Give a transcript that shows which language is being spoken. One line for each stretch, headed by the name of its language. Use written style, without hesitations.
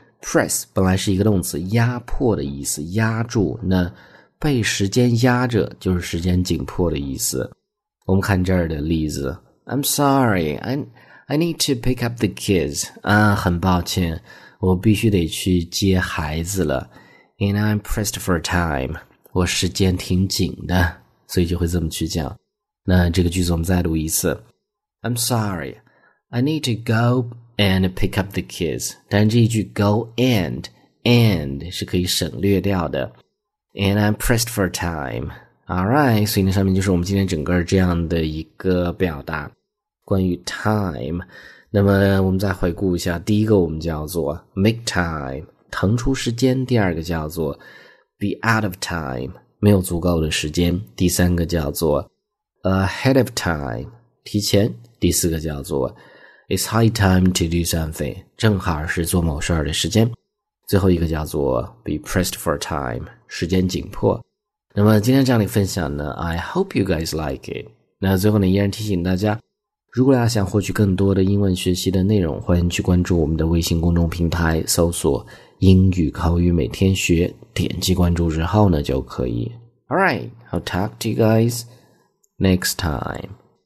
Chinese: press 本来是一个动词，压迫的意思，压住，那被时间压着就是时间紧迫的意思。我们看这儿的例子。
English: I'm sorry I need to pick up the kids 啊，
Chinese: 很抱歉，我必须得去接孩子了。
English: And I'm pressed for time，
Chinese: 我时间挺紧的，所以就会这么去讲。那这个句子我们再读一次。
English: I'm sorry I need to go and pick up the kids，
Chinese: 但这一句 go and 是可以省略掉的。
English: And I'm pressed for time。
Chinese: Alright， 所以那上面就是我们今天整个这样的一个表达关于 time。那么我们再回顾一下，第一个我们叫做 make time， 腾出时间。第二个叫做 be out of time， 没有足够的时间。第三个叫做 ahead of time， 提前。第四个叫做
English: It's high time to do something.
Chinese: 正好是做某事的时间。最后一个叫做 be pressed for time, 时间紧迫。那么今天这样的分享呢 ,
English: I hope you guys like it.
Chinese: 那最后呢依然提醒大家，如果大家想获取更多的英文学习的内容，欢迎去关注我们的微信公众平台，搜索英语口语每天学，点击关注之后呢就可以。
English: Alright, I'll talk to you guys next time.